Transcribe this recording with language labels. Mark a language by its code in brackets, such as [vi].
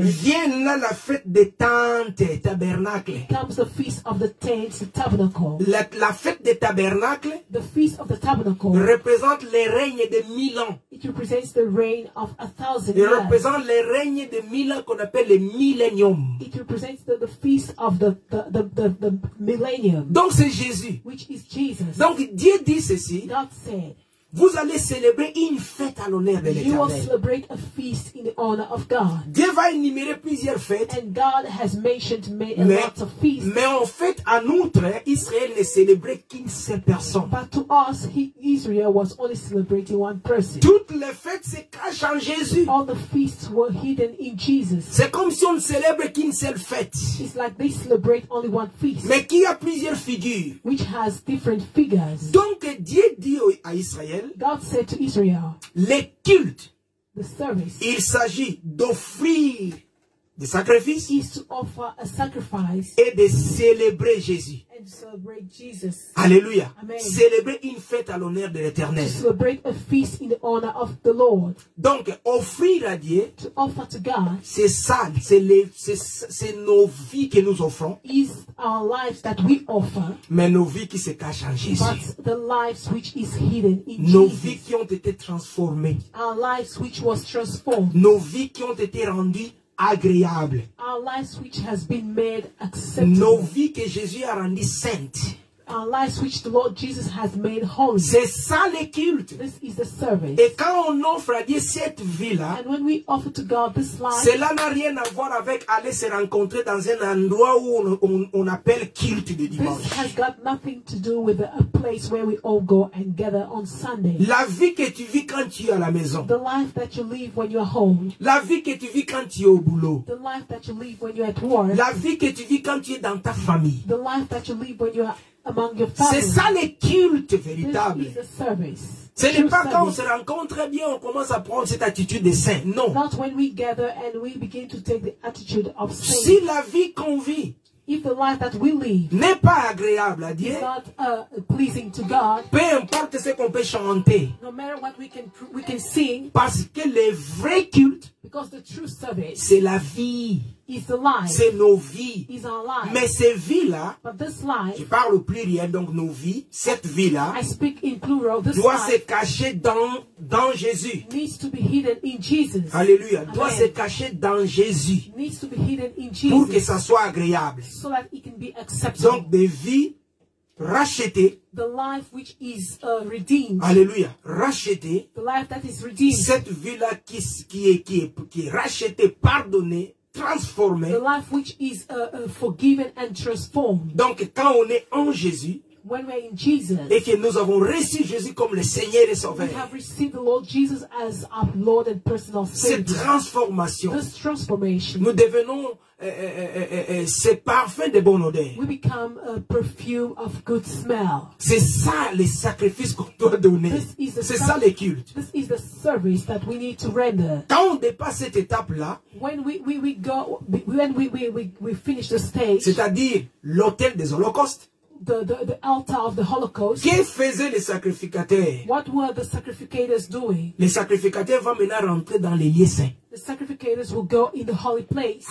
[fr] vient là la fête des tentes, tabernacle. [en] Comes the feast of the tents, the tabernacle. [fr] La fête des tabernacles, [en] the feast of the tabernacle, [fr] représente les règnes de 1000 ans. [en] It represents the reign of 1000 years. [fr] Il représente les règnes de 1000 ans qu'on appelle le millénium. [en] It represents the feast of the millennium. [fr] Donc c'est Jésus. [en] Which is Jesus. [fr] Donc Dieu dit ceci. [en] God said, [fr] vous allez célébrer une fête à l'honneur de l'Éternel. [en] You will celebrate a feast in the honor of God. [fr] Dieu va énumérer plusieurs fêtes. [en] And God has mentioned lots of feasts. [fr] Mais en fait, en outre, Israël ne célébrait qu'une seule personne. [en] But to us, Israel was only celebrating one person. [fr] Toutes les fêtes se cachent en Jésus. [en] All the feasts were hidden in Jesus. [fr] C'est comme si on ne célébrait qu'une seule fête. [en] It's like they celebrate only one feast. [fr] Mais qui a plusieurs figures. [en] Which has different figures. [fr] Donc Dieu dit à Israël. [en] God said to Israel, [fr] les cultes, [en] the service, [fr] il s'agit d'offrir des sacrifices, [en] is to offer a sacrifice, [fr] et de célébrer Jésus. [en] And to celebrate Jesus. [fr] Alléluia. [en] Amen. [fr] Célébrer une fête à l'honneur de l'Éternel. [en] To celebrate a feast in the honor of the Lord. [fr] Donc, offrir à Dieu, [en] to offer to God, [fr] c'est ça, c'est nos vies que nous offrons. [en] Is our lives that we offer, [fr] mais nos vies qui se cachent en Jésus. [en] But the lives which is hidden in [fr] nos [en] Jesus. [fr] Vies qui ont été transformées. [en] Our lives which was transformed. [fr] Nos vies qui ont été rendues agréable. [en] Our lives which has been made acceptable. [fr] Nos vies que Jésus a rendues saintes. [en] Our lives which the Lord Jesus has made holy. [fr] C'est ça le culte. [en] This is the service. [fr] Et quand on offre à Dieu cette vie-là, [en] and when we offer to God this life, [fr] cela n'a rien à voir avec aller se rencontrer dans un endroit où on appelle culte de dimanche. [en] This has got nothing to do with a place where we all go and gather on Sunday. [fr] La vie que tu vis quand tu es à la maison. [en] The life that you live when you are home. [fr] La vie que tu vis quand tu es au boulot. [en] The life that you live when you are at work. [fr] La vie que tu vis quand tu es dans ta famille. [en] The life that you live when you are among your family. [fr] C'est ça le culte véritable. [en] This is a service. [fr] Ce n'est pas quand on se rencontre bien on commence à prendre cette attitude de saint. Non. [en] Not when we gather and we begin to take the attitude of saint. [fr] Si la vie qu'on vit, [en] If the life that we live [fr] n'est pas agréable à Dieu, [en] not, pleasing to God, [fr] peu importe ce qu'on peut chanter, [en] no matter what we can sing, [fr] parce que le vrai culte, [en] because the true service, [fr] c'est la vie, [en] is the life, [fr] c'est nos vies, [en] is our life. [fr] Mais ces vies-là, [en] but this life, [fr] je parle au pluriel, donc nos vies, cette vie-là, [en] I speak in plural, this [fr] doit [en] life [fr] se cacher dans Jésus. [en] Needs to be hidden in Jesus. [fr] Alléluia. Amen. Doit se cacher dans Jésus. [en] Needs to be hidden in Jesus. [fr] Pour que ça soit agréable. [en] So that it can be acceptable. [fr] Donc des vies rachetées. [en] The life which is redeemed. [fr] Alléluia. Rachetée. [en] The life that is redeemed. [fr] Cette vie-là qui est rachetée, pardonnée, transformée. [en] The life which is forgiven and transformed. [fr] Donc quand on est en Jésus. [en] When we're in Jesus, [fr] et que nous avons reçu Jésus comme le Seigneur et Sauveur. [en] We have received the Lord Jesus as our Lord and personal Savior. [fr] Cette transformation. [en] This transformation. [fr] Nous devenons ces parfums de bonne odeur. [en] We become a perfume of good smell. [fr] C'est ça les sacrifices qu'on doit donner. [en] This is the [fr] c'est ça les cultes. [en] This is the service that we need to render. [fr] Quand on dépasse cette étape là. [en] When we finish the stage. [fr] C'est-à-dire l'autel des holocaustes. [en] The altar of the Holocaust. [fr] Que faisaient les sacrificateurs? [en] What were the sacrificators doing? [fr] Les sacrificateurs vont maintenant rentrer dans les lieux saints. [en] The sacrificators will go in the holy place.